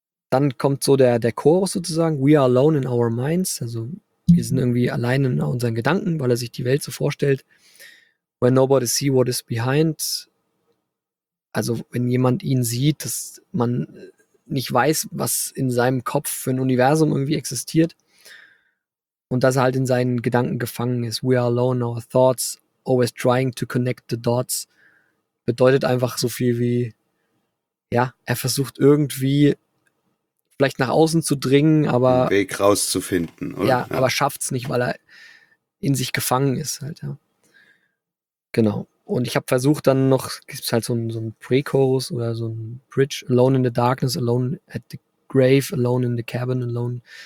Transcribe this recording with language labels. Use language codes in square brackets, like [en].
[de] Dann kommt so der Chorus sozusagen, [en] we are alone in our minds, [de] also wir sind irgendwie allein in unseren Gedanken, weil er sich die Welt so vorstellt. [en] When nobody see what is behind, [de] also wenn jemand ihn sieht, dass man nicht weiß, was in seinem Kopf für ein Universum irgendwie existiert. Und dass er halt in seinen Gedanken gefangen ist. [en] We are alone in our thoughts, always trying to connect the dots. [de] Bedeutet einfach so viel wie, ja, er versucht irgendwie vielleicht nach außen zu dringen, aber einen Weg rauszufinden, oder? Ja, aber schafft's nicht, weil er in sich gefangen ist halt, ja. Genau. Und ich habe versucht dann noch, gibt's halt so ein Pre-Chorus oder so ein Bridge, [en] alone in the darkness, alone at the grave, alone in the cabin, alone.